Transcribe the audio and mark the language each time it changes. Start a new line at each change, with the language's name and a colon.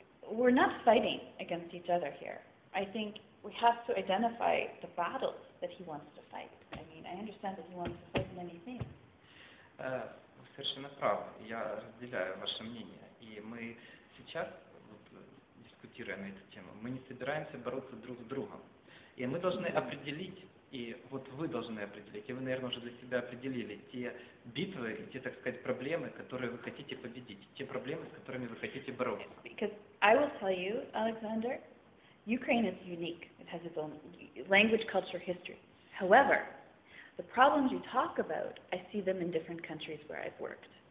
English: We're not fighting against each other here. I think we have to identify the battles that he wants to fight. I mean, I understand that he wants to fight many things.
Russian: Вы совершенно правы. Я разделяю ваше мнение. И мы сейчас, вот, дискутируя на эту тему, мы не собираемся бороться друг с другом. И мы должны определить, и вот вы должны определить, и вы, наверное, уже для себя определили те битвы, те, так сказать, проблемы, которые вы хотите победить, те проблемы, с которыми вы хотите бороться.
English: Because I will tell you, Alexander, Ukraine is unique. It has its own language, culture, history. However, the problems you talk about, I see them in different countries where I've worked.